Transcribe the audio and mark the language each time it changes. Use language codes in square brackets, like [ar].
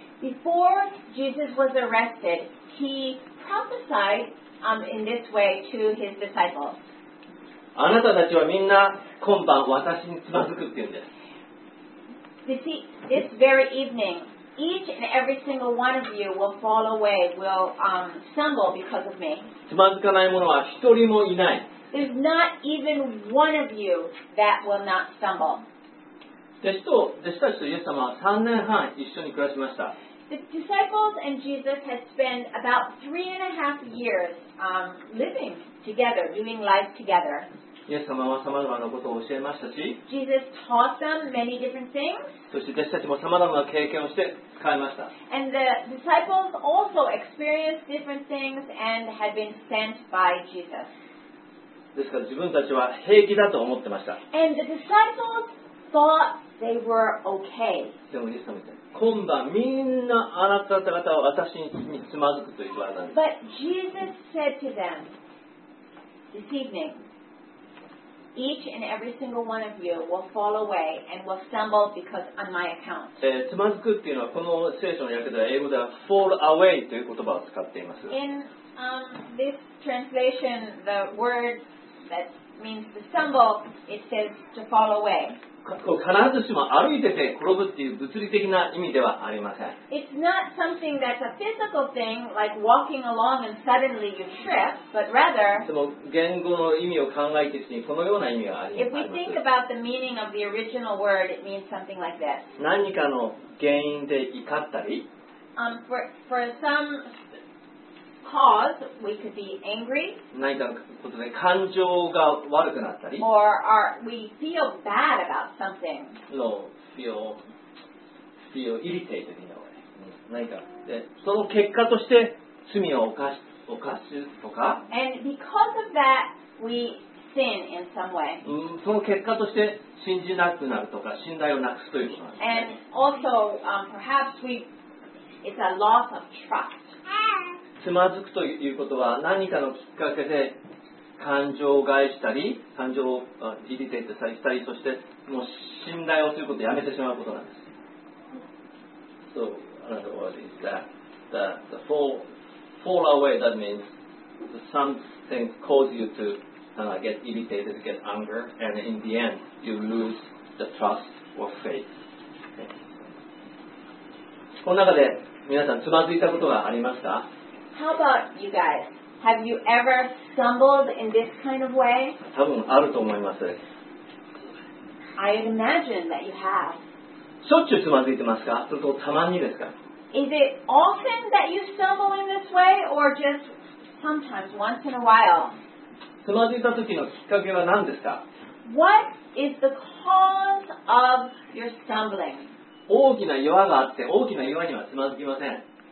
[en] Before Jesus was arrested, he prophesied in this way to his disciples. [ja] あなたたちはみんな今晩私につまずくって言うんです。 [en] This very evening, each and every single one of you will fall away, will stumble because of me. [ja] つまずかない者は一人もいない。 [en] There's not even one of you that will not stumble. [ja] 弟子たちとイエス様は3年半一緒に暮らしました。 [en] The disciples and Jesus had spent about 3.5 years living together, doing life together. [ja] イエス様は様々なことを教えましたし、 [en] Jesus taught them many different things. [ja] そして弟子たちも様々な経験をして使いました。 [en] And the disciples also experienced different things and had been sent by Jesus. [ja] ですから自分たちは平気だと思ってました。 [en] And the disciples thoughtThey were okay. [ja] でもイエス様みたいに、今晩みんなあなた方は私につまずくと言われたんです。 [en] But Jesus said to them, this evening, each and every single one of you will fall away and will stumble because on my account. [ja] つまずくっていうのはこの聖書の訳では英語では fall away という言葉を使っています。 [en] In this translation, the word that means to stumble, it says to fall away. [ja] 必ずしも歩いてて転ぶっていう物理的な意味ではありません。 [en] It's not something that's a physical thing, like walking along and suddenly you trip, but rather, [ja] その言語の意味を考えてきて、このような意味があります。 [en] If we think about the meaning of the original word, it means something like this. [ja] 何かの原因で怒ったり、 [en] for some cause, we could be angry. [ja] 何かのことで感情が悪くなったり、 [en] or we feel bad about something. No, feel irritated in a way. [ja] 何かで、その結果として罪を犯すとか、 [en] and because of that, we sin in some way. [ja] その結果として信じなくなるとか、信頼をなくすということなんです。 [en] And also, perhaps it's a loss of trust. [ja] つまずくということは何かのきっかけで感情を害したり感情をイリテートしたりそしてもう信頼をすることをやめてしまうことなんです。 [en] So, another word is that the fall away, that means something cause you to get irritated, get anger, and in the end, you lose the trust or faith. [ja] この中で皆さんつまずいたことがありますか？ [en] How about you guys? Have you ever stumbled in this kind of way? [ja] 多分あると思います。 [en] I imagine that you have. [ja] しょっちゅうつまずいてますか？それとたまにですか？ [en] Is it often that you stumble in this way or just sometimes, once in a while? [ja] つまずいた時のきっかけは何ですか？ [en] What is the cause of your stumbling? [ja] 大きな岩があって、大きな岩にはつまずきません。